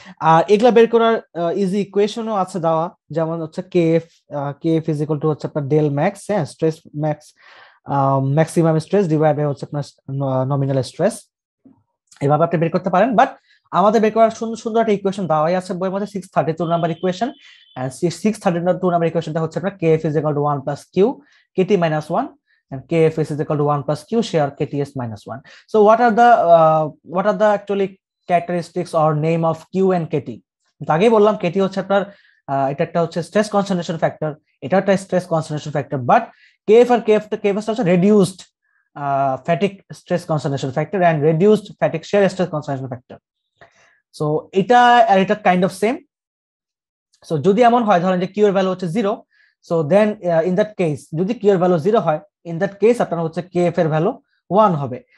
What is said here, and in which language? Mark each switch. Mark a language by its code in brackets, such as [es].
[bn] আর এগুলা বের করার ইজি ইকুয়েশনও আছে দেওয়া, যেমন হচ্ছে KF ইজ ইকুয়াল টু হচ্ছে আপনার ডেল ম্যাক্স, হ্যাঁ, stress max maximum stress divide by হচ্ছে আপনার নমিনাল স্ট্রেস, এভাবে আপনি বের করতে পারেন। বাট আমাদের বের করার সুন্দর সুন্দর একটা ইকুয়েশন দেওয়াই আছে বইয়ের মধ্যে, 632 নাম্বার ইকুয়েশন। [en] and 632 number [bn] ইকুয়েশনটা হচ্ছে আপনার [en] KF is equal to 1 plus Q KT minus 1, KFS is equal to 1 plus Q share KTS minus 1. So what are the actually characteristics or name of Q and KT? [bn] আগে বললাম KT হচ্ছে আপনার এটা একটা হচ্ছে stress concentration factor, এটা একটা stress concentration factor, but KF আর KF তো KFS হচ্ছে reduced fatigue stress concentration factor and reduced fatigue shear stress concentration factor. So এটা কাইন্ড অফ সেম। সো যদি এমন হয় ধরেন যে Q এর ভ্যালু হচ্ছে 0, so then in that case, যদি Q এর ভ্যালু 0 হয় ইন দ্যাট কেস আপনার হচ্ছে KF এর ভ্যালু 1 হবে।